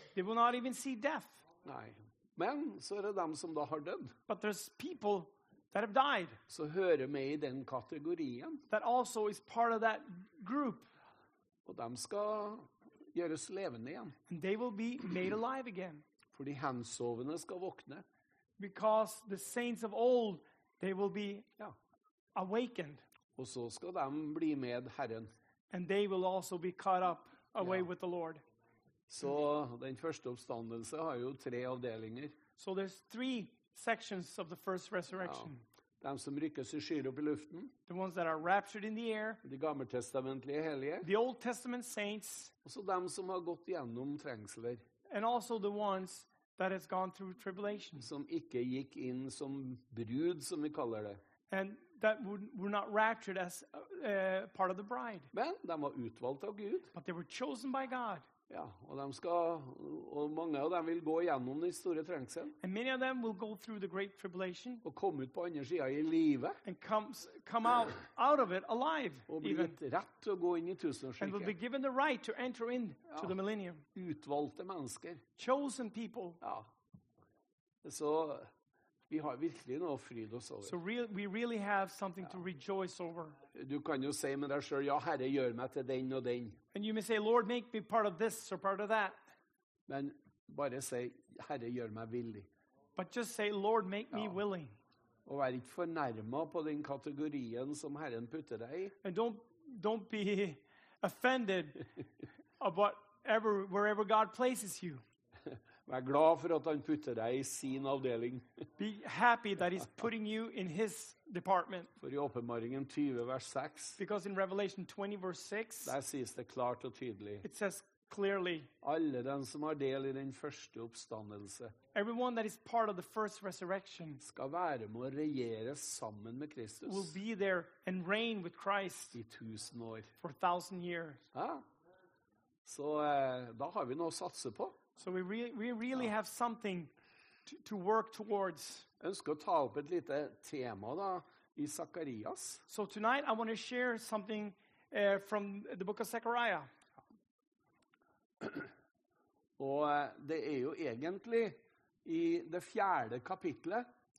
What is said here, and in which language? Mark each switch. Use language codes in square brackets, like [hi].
[en] They will not even see death. [no] Nei. Men så det dem som da har dødd. [en] But there's people that have died. [no] Så hører med I den kategorien. [en] That also is part of that group. [no] Og dem skal gjøres levende igjen. [en] And they will be made alive again. [no] Fordi hensovende skal våkne. [en] Because the saints of old, they will be awakened. [no] Og så skal de bli med Herren. [en] And they will also be caught up away with the Lord. [no] Så den første oppstandelse har jo tre avdelinger. [en] So there's three sections of the first resurrection. [no] De som rykkes i skyer opp i luften. [en] The ones that are raptured in the air. [no] De gammeltestamentlige hellige. [en] The Old Testament saints. [no] Og så dem som har gått gjennom trengsler. [en] And also the ones that has gone through tribulation. [no] Som ikke gikk inn som brud, som vi kaller det. [en] And that were not raptured as part of the bride. [no] Men de var utvalgt av Gud. [en] But they were chosen by God. [no] Ja, og de skal, og mange av dem vil gå gjennom den store trengselen. [en] And many of them will go through the great tribulation. [no] Og komme ut på andre siden i livet. [en] And come out of it alive. [no] Og bli gitt rett til å gå inn i tusenårsriket. [en] And will be given the right to enter into the millennium. [no] Utvalgte mennesker. [en] Chosen people. [no] Ja. Så vi har virkelig noe å fryde oss over. [en] So we really have something to rejoice over. [no] Du kan jo si med deg selv, ja, Herre, gjør meg til den og den. [en] And you may say, Lord, make me part of this or part of that. [no] Men bare si, Herre, gjør meg villig. [en] But just say, Lord, make me willing. [no] Og vær ikke for nærmet på den kategorien som Herren putter deg i. [en] And don't be offended about wherever God places you. [no] Vær glad for at han putter deg i sin avdeling. [en] Be happy that he's putting you in his department. [no] For i Åpenbaringen 20, vers 6. [en] Because in Revelation 20, verse 6. [no] Der sies det klart og tydelig. [en] It says clearly. [no] Alle den som har del i den første oppstandelse. [en] Everyone that is part of the first resurrection. [no] Skal være med å regjere sammen med Kristus. [en] Will be there and reign with Christ. [no] I 1000 år. [en] For 1000 years. [no] Ja. Så da har vi noe å satse på. [en] So we really have something to work towards. [no] Ønsker å ta opp et lite tema da i Zacharias. [en] So tonight I want to share something from the book of Zechariah. [no] Og det er jo egentlig i det fjerde kapitlet.